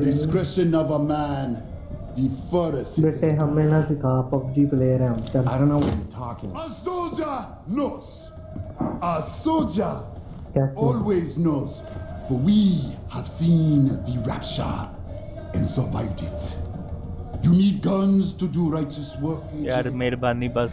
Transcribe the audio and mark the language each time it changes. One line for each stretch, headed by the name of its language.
English: The discretion of a man differeth.
Hindi: बेटे हमें ना सिखा, PUBG प्लेयर हैं हम।
English: I don't know what you're talking. A soldier knows. A soldier. Yes, always knows, for we have seen the rapture and survived it. You need guns to do righteous work.
Hindi: Yaar meherbani bas